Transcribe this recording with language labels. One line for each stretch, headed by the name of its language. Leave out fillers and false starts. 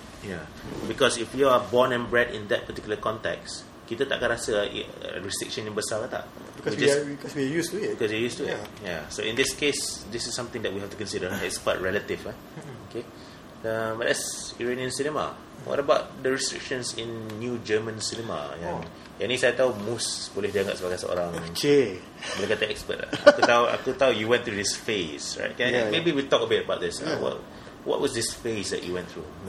English: Yeah, because if you are born and bred in that particular context,
Malay: kita takkan rasa restriction yang besar, tak?
English: Because we just, because we're used to it. Because you're used to it. Yeah. So in this case, this is something that we have to consider. It's quite relative, eh? Okay. But that's Iranian cinema. What about the restrictions in new German cinema?
Malay: Yang ni saya tahu Mus boleh dianggap sebagai seorang boleh kata expert. Aku tahu
English: you went through this phase, right? Can, yeah, maybe yeah, we talk a bit about this. Yeah. What was this phase that you went through?